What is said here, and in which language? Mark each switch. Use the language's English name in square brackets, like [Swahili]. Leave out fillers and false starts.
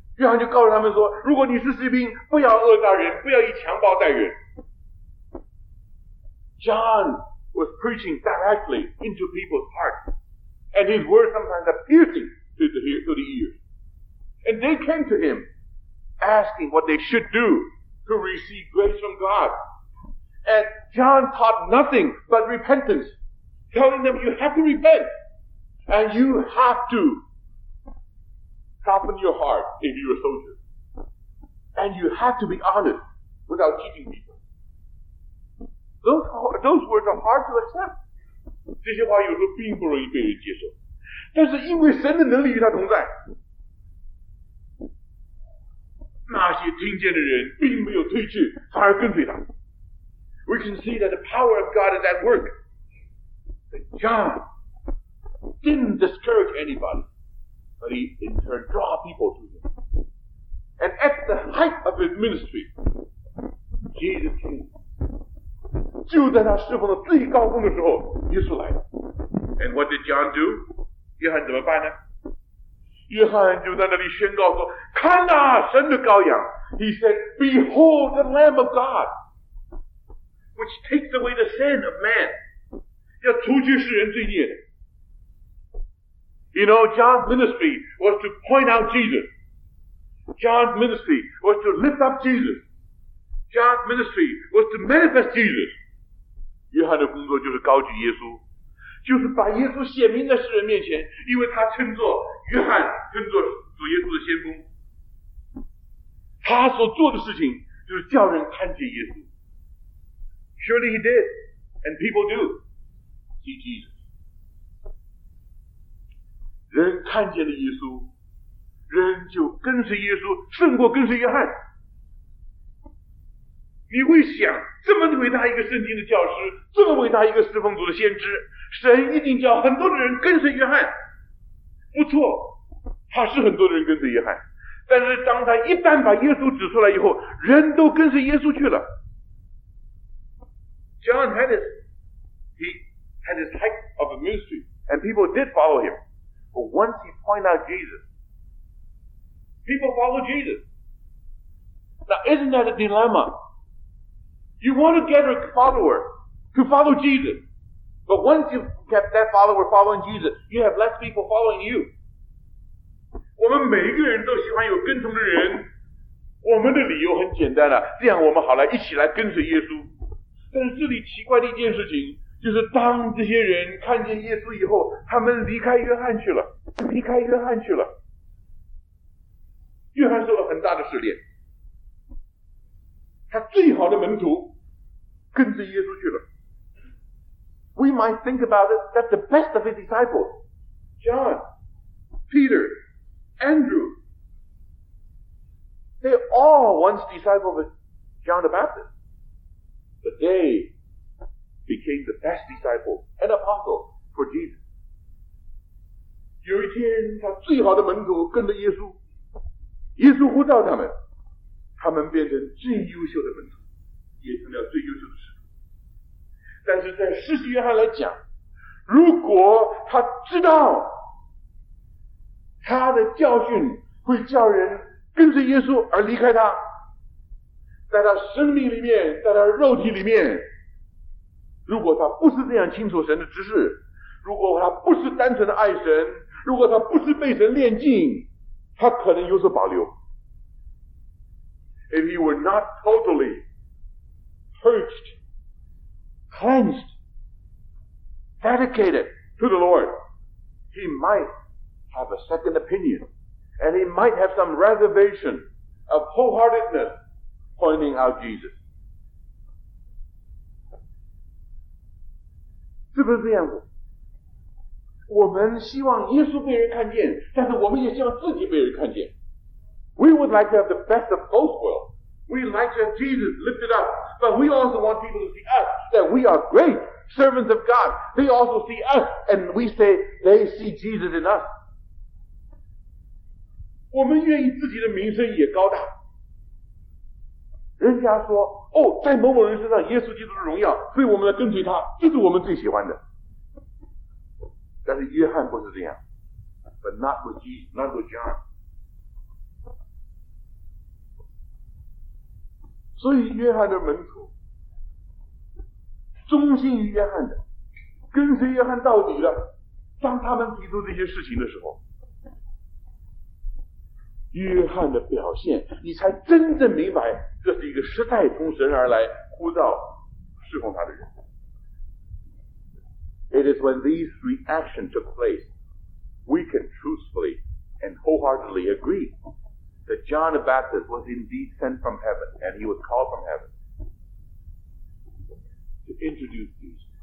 [Chinese] 约翰就告诉他们说，如果你是士兵，不要恶待人，不要以强暴待人。 [English] John was preaching directly into people's hearts, and his words sometimes are piercing to the ears. And they came to him asking what they should do to receive grace from God. And John taught nothing but repentance, telling them, you have to repent, and you have to soften your heart if you're a soldier. And you have to be honest without cheating people. Those words are hard to accept. [Chinese] 这些话有时候并不容易被人接受，但是因为神的能力与他同在，那些听见的人并没有退去，反而跟随他。 [English] We can see that the power of God is at work. John didn't discourage anybody, but he in turn draw people to him. And at the height of his ministry, Jesus came. [Chinese] 就在他侍奉的最高峰的时候，耶稣来了。 [English] And what did John do? [Chinese] 约翰怎么办呢？约翰就在那里宣告说，看哪，神的羔羊。 [English] He said, Behold the Lamb of God, which takes away the sin of man. [Chinese] 要除去世人罪孽。 [English] You know, John's ministry was to point out Jesus. John's ministry was to lift up Jesus. John's ministry was to manifest Jesus. [Chinese] 约翰的工作就是高举耶稣，就是把耶稣显明在世人面前，因为他称作约翰，称作主耶稣的先锋。他所做的事情就是叫人看见耶稣。 [English] Surely he did, and people do see Jesus. [Chinese] 人看见了耶稣，人就跟随耶稣，胜过跟随约翰。你会想，这么伟大一个圣经的教师，这么伟大一个侍奉主的先知，神一定叫很多的人跟随约翰。不错，他是很多的人跟随约翰，但是当他一旦把耶稣指出来以后，人都跟随耶稣去了。 [English] John had his type of a ministry, and people did follow him, but once he pointed out Jesus, people followed Jesus. Now isn't that a dilemma? You want to get a follower to follow Jesus, but once you've kept that follower following Jesus, you have less people following you. [Chinese] 我们每一个人都喜欢有跟从的人，我们的理由很简单啊，这样我们好来一起来跟随耶稣。但是这里奇怪的一件事情，就是当这些人看见耶稣以后，他们离开约翰去了，离开约翰去了。约翰受了很大的试炼，他最好的门徒跟随耶稣去了。 [English] We might think about it that the best of his disciples, John, Peter, Andrew, they all once disciples of John the Baptist, but they became the best disciples and apostles for Jesus. [Chinese] 有一天，他最好的门徒跟着耶稣，耶稣呼召他们变成最优秀的门徒，也成了最优秀的使徒。但是在施洗约翰来讲，如果他知道他的教训会叫人跟随耶稣而离开他，在他生命里面，在他肉体里面，如果他不是这样清楚神的指示，如果他不是单纯的爱神，如果他不是被神炼净，他可能有所保留。 [English] If he were not totally purged,cleansed, dedicated to the Lord, he might have a second opinion, and he might have some reservation of wholeheartedness pointing out Jesus. [Chinese] 是不是这样子？我们希望耶稣被人看见，但是我们也希望自己被人看见。 [English] We would like to have the best of both worlds. We like to have Jesus lifted up, but we also want people to see us, that we are great servants of God. They also see us, and we say they see Jesus in us. [Chinese] 我们愿意自己的名声也高大。人家说，哦，在某某人身上耶稣基督的荣耀，所以我们来跟随他，这是我们最喜欢的。但是约翰不是这样。 [English] But not with Jesus, not with John. [Chinese] 所以约翰的门徒忠心于约翰的，跟随约翰到底的，当他们提出这些事情的时候，约翰的表现，你才真正明白这是一个时代从神而来呼召侍奉他的人。 [English] It is when these reactions took place we can truthfully and wholeheartedly agree that John the Baptist was indeed sent from heaven and he was called from heaven to introduce Jesus.